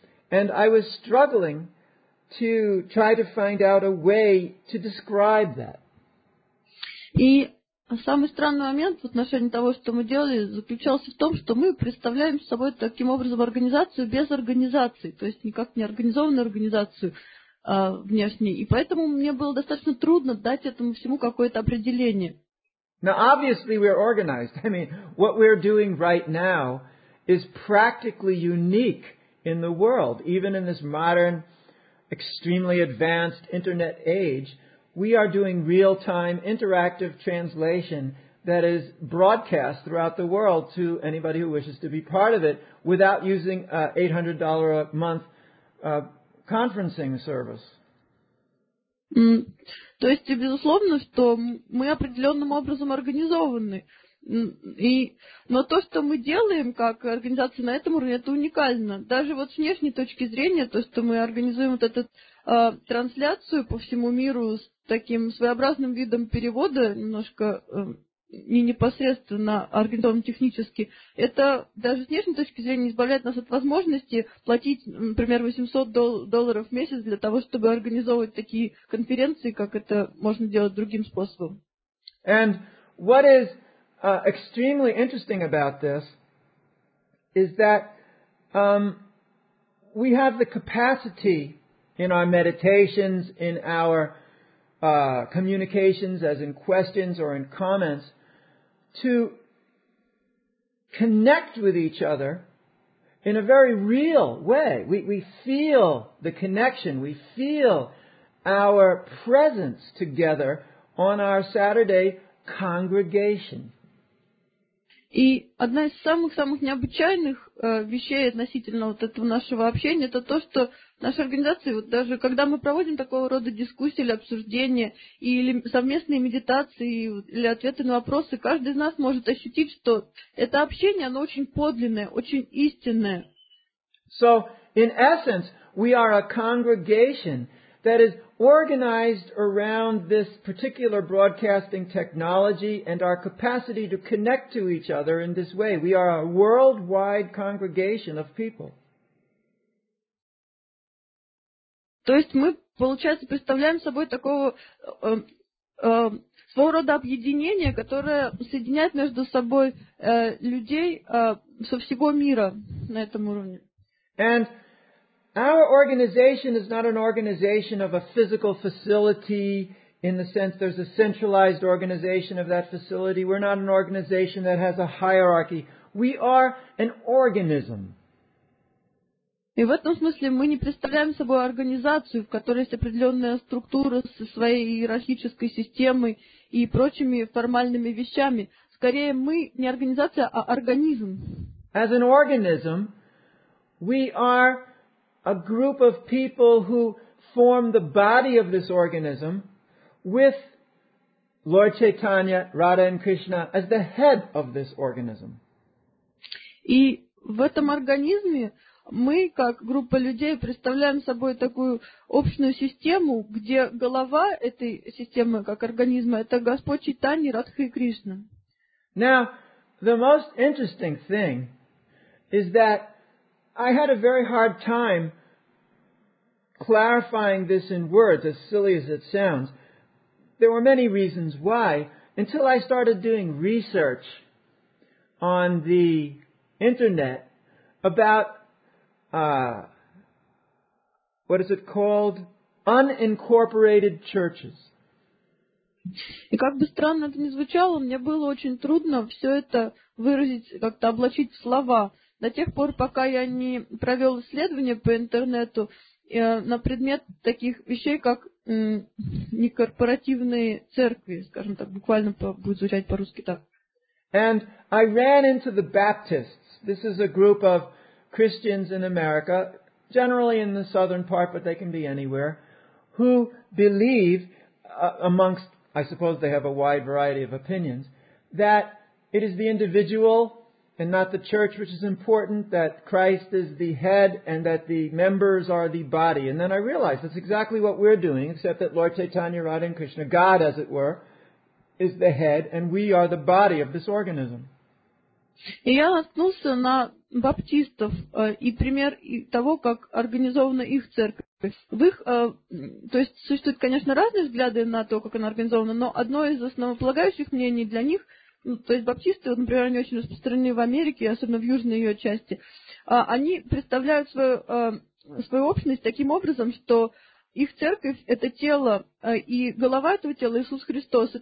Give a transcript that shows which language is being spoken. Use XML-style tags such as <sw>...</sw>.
<en>And I was struggling to try to find out a way to describe that.</en> <ru>И самый странный момент в отношении того, что мы делали, заключался в том, что мы представляем собой таким образом организацию без организации, то есть никак не организованную организацию внешней. И поэтому мне было достаточно трудно дать этому всему какое-то определение.</ru> <en>Now, obviously, we're organized. I mean, what we're doing right now is practically unique in the world. Even in this modern, extremely advanced internet age, we are doing real-time interactive translation that is broadcast throughout the world to anybody who wishes to be part of it without using an $800 a month conferencing service.</en> <ru>То есть, безусловно, что мы определенным образом организованы. И, но то, что мы делаем как организация на этом уровне, это уникально. Даже вот с внешней точки зрения, то, что мы организуем вот эту трансляцию по всему миру с таким своеобразным видом перевода, немножко не непосредственно организованно технически, это даже с внешней точки зрения избавляет нас от возможности платить, например, $800 в месяц для того, чтобы организовывать такие конференции, как это можно делать другим способом.</ru> <en>And what is extremely interesting about this is that we have the capacity in our meditations, in our communications, as in questions or in comments, to connect with each other in a very real way. We feel the connection. We feel our presence together on our Saturday congregation.</en> <ru>И одна из самых-самых необычайных вещей относительно вот этого нашего общения, это то, что в нашей организации, вот даже когда мы проводим такого рода дискуссии или обсуждения, или совместные медитации, или ответы на вопросы, каждый из нас может ощутить, что это общение, оно очень подлинное, очень истинное.</ru> <en>So, in essence, we are a congregation that is organized around this particular broadcasting technology and our capacity to connect to each other in this way. We are a worldwide congregation of people.</en> <ru>То есть мы, получается, представляем собой такого своего рода объединение, которое соединяет между собой людей со всего мира на этом уровне.</ru> <en>And Our organization is not an organization of a physical facility in the sense there's a centralized organization of that facility. We're not an organization that has a hierarchy. We are an organism.</en> <ru>И в этом смысле мы не представляем собой организацию, в которой есть определенная структура со своей иерархической системой и прочими формальными вещами. Скорее, мы не организация, а организм.</ru> <en>As an organism, we are a group of people who form the body of this organism with Lord Chaitanya, Radha and Krishna as the head of this organism.</en> <ru>И в этом организме мы, как группа людей, представляем собой такую общую систему, где голова этой системы, как организма, это Господь Чайтанья, Радха и Кришна.</ru> <en>Now, the most interesting thing is that I had a very hard time clarifying this in words, as silly as it sounds. There were many reasons why, until I started doing research on the internet about what is it called? Unincorporated churches.</en> <ru>И как бы странно это ни звучало, мне было очень трудно все это выразить, как-то облачить в слова. До тех пор, пока я не провел исследование по интернету на предмет таких вещей, как некорпоративные церкви, скажем так, буквально будет звучать по-русски так.</ru> <en>And I ran into the Baptists. This is a group of Christians in America, generally in the southern part, but they can be anywhere, who believe amongst, I suppose they have a wide variety of opinions, that it is the individual and not the church which is important, that Christ is the head and that the members are the body. And then I realized that's exactly what we're doing, except that Lord Chaitanya, Radha and Krishna, God as it were, is the head and we are the body of this organism.</en> <ru>И я наткнулся на баптистов и пример того, как организована их церковь. В их, то есть существуют, конечно, разные взгляды на то, как она организована, но одно из основополагающих мнений для них, то есть баптисты, вот, например, они очень распространены в Америке, особенно в южной ее части, они представляют свою общность таким образом, что их церковь – это тело, и голова этого тела – Иисус Христос.</ru>